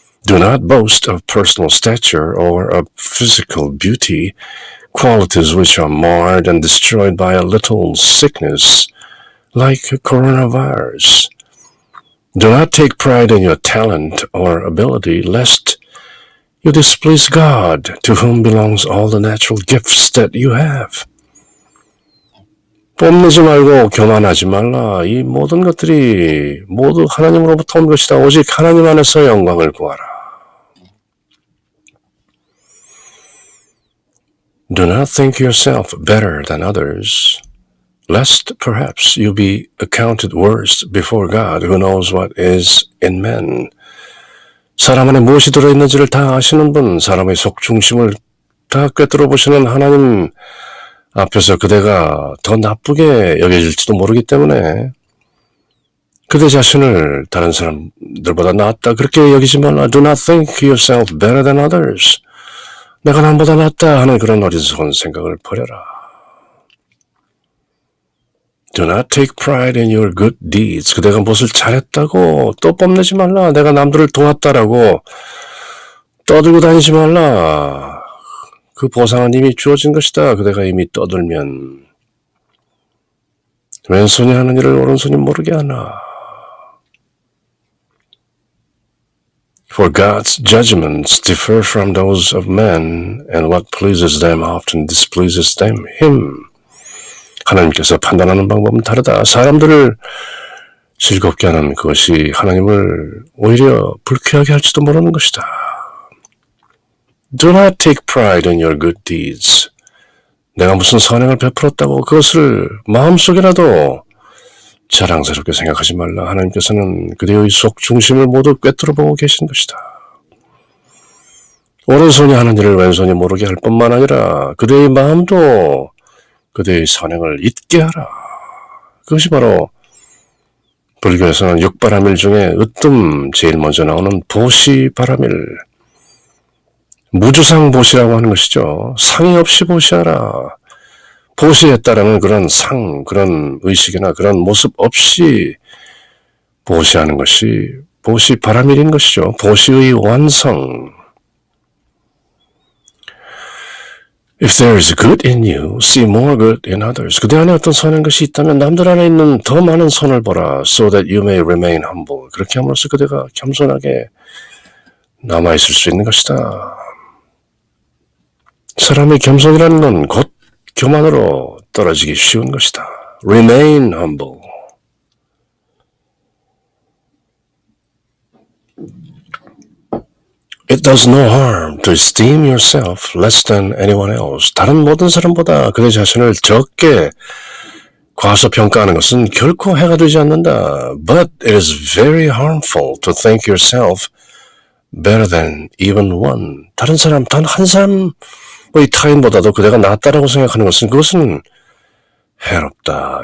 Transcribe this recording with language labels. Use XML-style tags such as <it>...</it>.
<en>Do not boast of personal stature or of physical beauty, qualities which are marred and destroyed by a little sickness like coronavirus. Do not take pride in your talent or ability, lest you displease God, to whom belongs all the natural gifts that you have.</en> <ko>뽐내지 말고 교만하지 말라. 이 모든 것들이 모두 하나님으로부터 온 것이다. 오직 하나님 안에서 영광을 구하라.</ko> <en>Do not think yourself better than others, lest perhaps you be accounted worse before God, who knows what is in men.</en> <ko>사람 안에 무엇이 들어있는지를 다 아시는 분, 사람의 속중심을 다 꿰뚫어 보시는 하나님 앞에서 그대가 더 나쁘게 여겨질지도 모르기 때문에 그대 자신을 다른 사람들보다 낫다 그렇게 여기지 말라.</ko> <en>Do not think yourself better than others.</en> <ko>내가 남보다 낫다 하는 그런 어리석은 생각을 버려라.</ko> <en>Do not take pride in your good deeds.</en> <ko>그대가 무엇을 잘했다고 또 뽐내지 말라. 내가 남들을 도왔다라고 떠들고 다니지 말라. 그 보상은 이미 주어진 것이다. 그대가 이미 떠들면 왼손이 하는 일을 오른손이 모르게 하나.</ko> <en>For God's judgments differ from those of men, and what pleases them often displeases them, him.</en> <ko>하나님께서 판단하는 방법은 다르다. 사람들을 즐겁게 하는 그것이 하나님을 오히려 불쾌하게 할지도 모르는 것이다.</ko> <en>Do not take pride in your good deeds.</en> <ko>내가 무슨 선행을 베풀었다고 그것을 마음속에라도 자랑스럽게 생각하지 말라. 하나님께서는 그대의 속중심을 모두 꿰뚫어 보고 계신 것이다. 오른손이 하는 일을 왼손이 모르게 할 뿐만 아니라 그대의 마음도 그대의 선행을 잊게 하라. 그것이 바로 불교에서는 육바라밀 중에 으뜸 제일 먼저 나오는 보시바라밀, 무주상 보시라고 하는 것이죠. 상의 없이 보시하라. 보시했다라는 그런 상, 그런 의식이나 그런 모습 없이 보시하는 것이 보시 바라밀인 것이죠. 보시의 완성.</ko> <en>If there is good in you, see more good in others.</en> <ko>그대 안에 어떤 선한 것이 있다면 남들 안에 있는 더 많은 선을 보라.</ko> <en>So that you may remain humble.</en> <ko>그렇게 함으로써 그대가 겸손하게 남아있을 수 있는 것이다. 사람의 겸손이라는 건 곧 교만으로 떨어지기 쉬운 것이다.</ko> <en>Remain humble. 'It does no harm to esteem yourself less than anyone else.'</en> <ko>다른 모든 사람보다 그대 자신을 적게 과소평가하는 것은 결코 해가 되지 않는다.</ko> <en>'But it is very harmful to think yourself better than even one.'</en> <ko>다른 사람, 단 한 사람의 타인보다도 그대가 낫다라고 생각하는 것은 그것은 해롭다.</ko>